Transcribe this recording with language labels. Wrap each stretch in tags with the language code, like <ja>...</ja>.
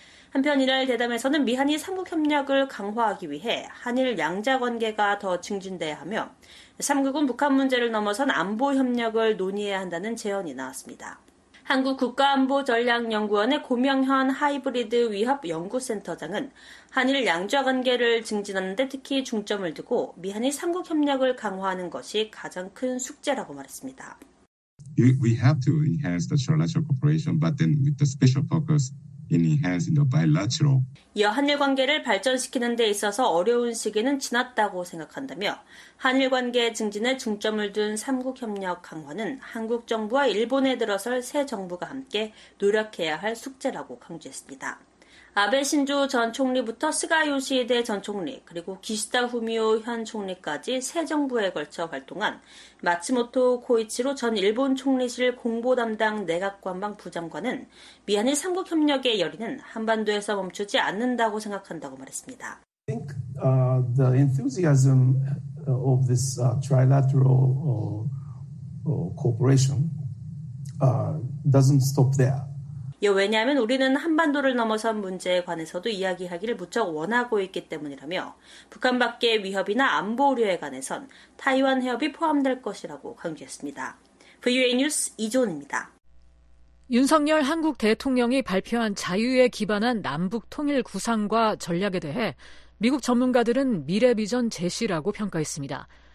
<ko>한편 이날 대담에서는 미한이 3국협력을 강화하기 위해 한일 양자관계가 더 증진돼야 하며 3국은 북한 문제를 넘어선 안보협력을 논의해야 한다는 제언이 나왔습니다. 한국국가안보전략연구원의 고명현 하이브리드 위협연구센터장은 한일 양자관계를 증진하는데 특히 중점을 두고 미한이 3국협력을 강화하는 것이 가장 큰 숙제라고 말했습니다.</ko> <en>We have to enhance the trilateral cooperation, but then with the special focus in enhancing the bilateral.</en> <ko>이어 한일 관계를 발전시키는 데 있어서 어려운 시기는 지났다고 생각한다며 한일 관계 증진에 중점을 둔 3국협력 강화는 한국 정부와 일본에 들어설 새 정부가 함께 노력해야 할 숙제라고 강조했습니다. 아베 신조 전 총리부터 스가 요시히데 전 총리, 그리고 기시다 후미오 현 총리까지 새 정부에 걸쳐 활동한 마츠모토 코이치로 전 일본 총리실 공보 담당 내각관방 부장관은 미한의 3국 협력의 열의는 한반도에서 멈추지 않는다고 생각한다고 말했습니다.</ko> <en>I think the enthusiasm of this trilateral cooperation doesn't stop there.</en> <ko>왜냐하면 우리는 한반도를 넘어선 문제에 관해서도 이야기하기를 무척 원하고 있기 때문이라며 북한 밖의 위협이나 안보 우려에 관해선 타이완 해협이 포함될 것이라고 강조했습니다. VOA 뉴스 이조은입니다. 윤석열 한국 대통령이 발표한 자유에 기반한 남북 통일 구상과 전략에 대해 미국 전문가들은 미래 비전 제시라고 평가했습니다.</ko>